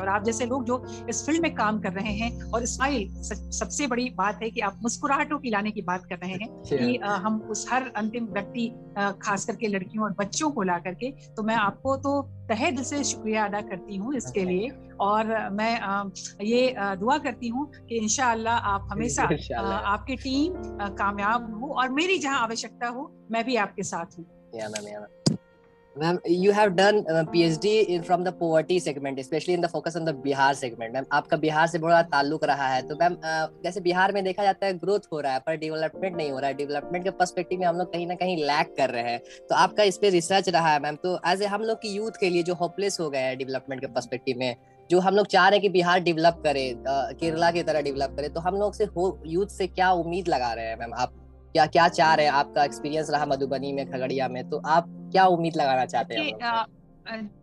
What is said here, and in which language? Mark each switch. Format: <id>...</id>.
<hi>और आप जैसे लोग जो इस फील्ड में काम कर रहे हैं, और स्माइल सबसे बड़ी बात है कि आप मुस्कुराहटों की लाने की बात कर रहे हैं कि हम उस हर अंतिम व्यक्ति, खास करके लड़कियों और बच्चों को ला करके, तो मैं आपको तो तहे दिल से शुक्रिया अदा करती हूँ इसके लिए। और मैं ये दुआ करती हूँ कि इंशाल्लाह आप हमेशा, आपकी टीम कामयाब हो और मेरी जहाँ आवश्यकता हो मैं भी आपके साथ हूँ।</hi> <en>Ma'am, you have done PhD in from the poverty segment, especially in the focus on the Bihar segment.</en> <hi>Ma'am, आपका बिहार से बड़ा ताल्लुक रहा है, तो मैम जैसे बिहार में देखा जाता है ग्रोथ हो रहा है पर डेवलपमेंट नहीं हो रहा है, डेवलपमेंट के पर्सपेक्टिव में हम लोग कहीं ना कहीं लैक कर रहे हैं, तो आपका इस पे रिसर्च रहा है मैम, तो एज ए हम लोग की यूथ के लिए जो होपलेस हो गए हैं डेवलपमेंट के पर्सपेक्टिव में, जो हम लोग चाह रहे हैं कि बिहार डेवलप करे केरला की तरह डेवलप करे, तो हम लोग से यूथ से क्या उम्मीद लगा रहे हैं मैम, आप क्या क्या चाह रहे हैं, आपका एक्सपीरियंस रहा मधुबनी में, खगड़िया में, तो आप क्या उम्मीद लगाना चाहते हैं?</hi>